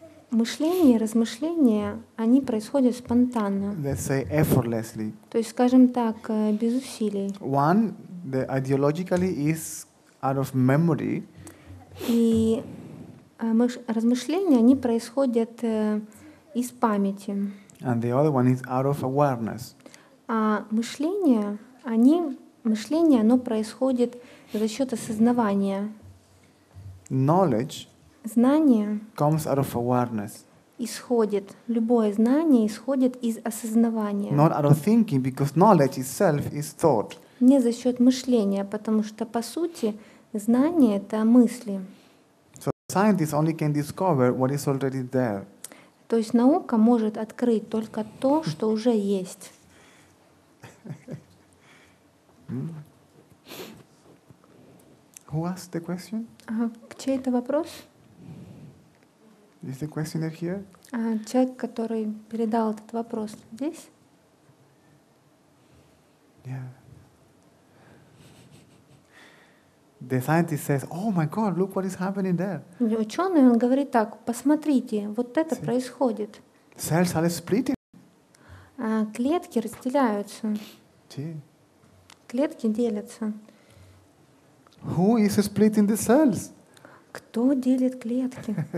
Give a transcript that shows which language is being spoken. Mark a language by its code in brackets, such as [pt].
[ru] Мышление, размышления, они происходят спонтанно. [en] Let's say effortlessly. [ru] То есть, скажем так, без усилий. [en] One, the ideologically is out of memory. [ru] И размышления, они происходят из памяти. [en] And the other one is out of awareness. [ru] А мышление, оно происходит за счет осознавания. [en] Knowledge. [ru] Знание [en] comes out of awareness. [ru] Исходит. Любое знание исходит из осознавания. [en] Not out of thinking, because knowledge itself is thought. [ru] Не за счет мышления, потому что по сути знание — это мысли. [en] So scientists only can discover what is already there. [ru] То есть наука может открыть только то, что уже есть. [en] Who asked the question? [ru] Чей это вопрос? [en] Is the questioner here? [ru] Человек, который передал этот вопрос, здесь? [en] Yeah. The scientist says, "Oh my God, look what is happening there." [ru] Ученый, он говорит так: посмотрите, вот это происходит. [en] Cells are splitting. [ru] Клетки разделяются. [en] See? [ru] Клетки делятся. [en] Who is splitting the cells? [ru] Кто делит клетки?